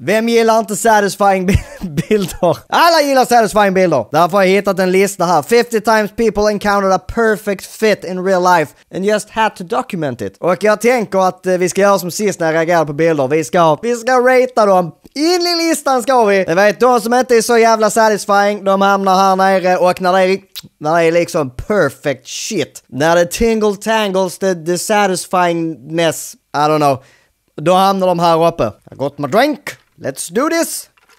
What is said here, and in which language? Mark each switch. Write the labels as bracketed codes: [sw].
[sv] Vem gillar inte satisfying bilder? Alla gillar satisfying bilder. Därför har jag hittat en lista här. [en] 50 times people encountered a perfect fit in real life and just had to document it. [sv] Och jag tänker att vi ska göra som sist när jag reagerar på bilder. Vi ska rata dem. In i listan ska vi. Jag vet, de som inte är så jävla satisfying, de hamnar här nere. Och när det är liksom [en] perfect shit, [sv] när det [en] tingle tangles the satisfyingness, I don't know, [sv] då hamnar de här uppe. [en] I got my drink. Let's do this.